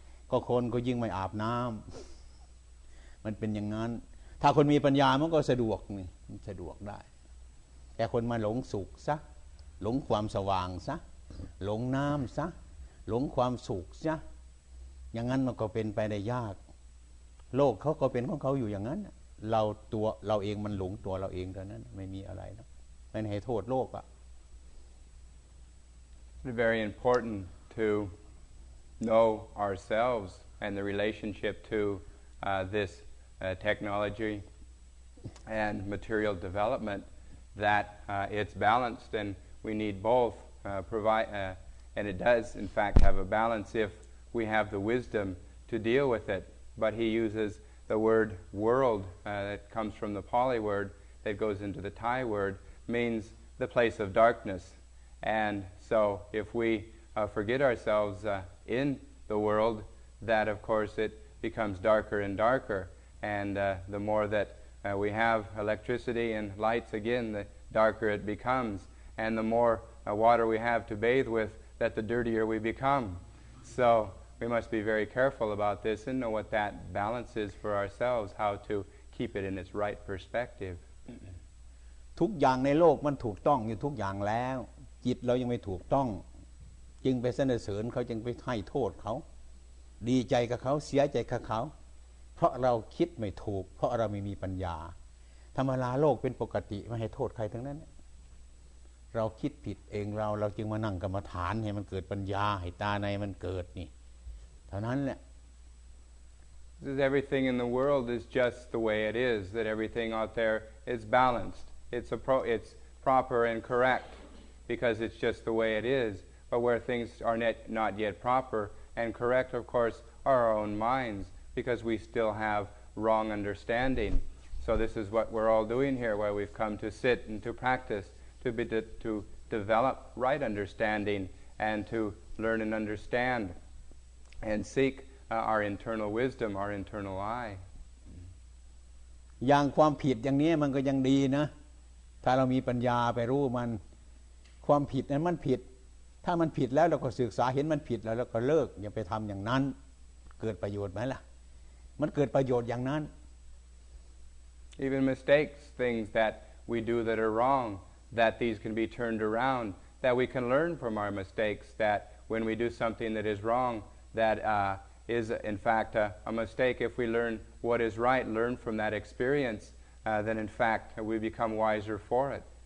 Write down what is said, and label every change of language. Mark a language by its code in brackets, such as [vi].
[th] ก็คนก็ยิ่งไม่อาบน้ำมันเป็นอย่างนั้นถ้าคนมีปัญญามันก็สะดวกนี่มันสะดวกได้แต่คนมาหลงสุขซะหลงความสว่างซะหลงน้ำซะหลงความสุขซะอย่างนั้นมันก็เป็นไปได้ยากโลกเขาก็เป็นของเขาอยู่อย่างนั้นเราตัวเราเองมันหลงตัวเราเองเท่านั้นไม่มีอะไรนะไม่ให้โทษโลกอ่ะ [en] It's very important to know ourselves and the relationship to this technology and material development that it's balanced and we need both and it does in fact have a balance if we have the wisdom to deal with itBut he uses the word world that comes from the Pali word that goes into the Thai word means the place of darkness. And so if we forget ourselves in the world, that of course it becomes darker and darker. And the more that we have electricity and lights again, the darker it becomes. And the more water we have to bathe with, that the dirtier we become. So,We must be very careful about this and know what that balance is for ourselves, how to keep it in its right perspective. [th] ทุกอย่างในโลกมันถูกต้องอยู่ทุกอย่างแล้วจิตเรายังไม่ถูกต้องจึงไปสรรเสริญเขาจึงไปให้โทษเขาดีใจกับเขาเสียใจกับเขาเพราะเราคิดไม่ถูกเพราะเราไม่มีปัญญาธรรมดาโลกเป็นปกติไม่ให้โทษใครทั้งนั้นเราคิดผิดเองเราจึงมานั่งกรรมฐานให้มันเกิดปัญญาให้ตาในมันเกิดนี่ [en] Everything in the world is just the way it is, that everything out there is balanced. It's proper and correct because it's just the way it is. But where things are not yet proper and correct, of course, are our own minds because we still have wrong understanding. So this is what we're all doing here, where we've come to sit and to practice, to develop right understanding and to learn and understandand seek our internal wisdom our internal eye [th] อย่างความผิดอย่างนี้มันก็ยังดีนะถ้าเรามีปัญญาไปรู้มันความผิดนั้นมันผิดถ้ามันผิดแล้วเราก็ศึกษาเห็นมันผิดแล้วเราก็เลิกอย่าไปทำอย่างนั้นเกิดประโยชน์ไหมล่ะมันเกิดประโยชน์อย่างนั้น [en] even mistakes things that we do that are wrong that these can be turned around that we can learn from our mistakes that when we do something that is wrongthat is in fact a mistake if we learn what is right learn from that experience then in fact we become wiser for it